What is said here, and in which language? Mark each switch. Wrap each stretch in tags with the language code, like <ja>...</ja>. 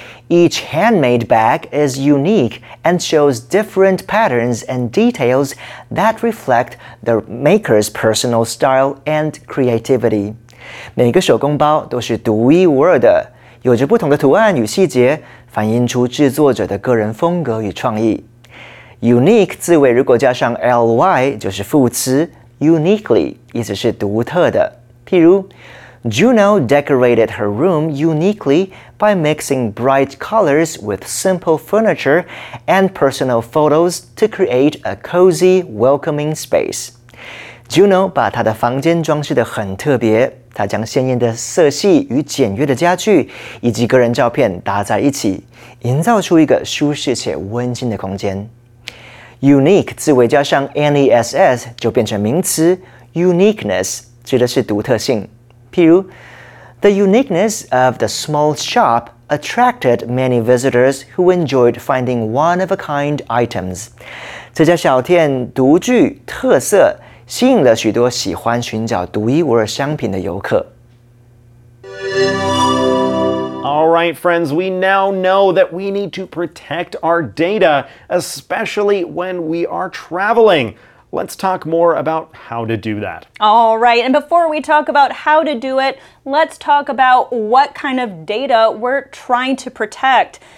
<en>Each handmade bag is unique and shows different patterns and details that reflect the maker's personal style and creativity.</en> <zh>每个手工包都是独一无二的，有着不同的图案与细节，反映出制作者的个人风格与创意。 Unique 字尾如果加上 ly 就是副词Uniquely, 意思是独特的。</zh> <en>譬如 ,Juno decorated her room uniquely by mixing bright colors with simple furniture and personal photos to create a cozy, welcoming space.</en> <zh>Juno 把她的房间装饰得很特别，她将鲜艳的色系与简约的家具以及个人照片搭在一起，营造出一个舒适且温馨的空间。 Unique 字尾加上 N-E-S-S 就变成名词 Uniqueness 指的是独特性。</zh> <en>譬如 The uniqueness of the small shop attracted many visitors who enjoyed finding one-of-a-kind items.</en> <zh>这家小店独具特色，吸引了许多喜欢寻找独一无二商品的游客。</zh> <en>All right, friends, we now know that we need to protect our data, especially when we are traveling. Let's talk more about how to do that. All right, and before we talk about how to do it, let's talk about what kind of data we're trying to protect.</en>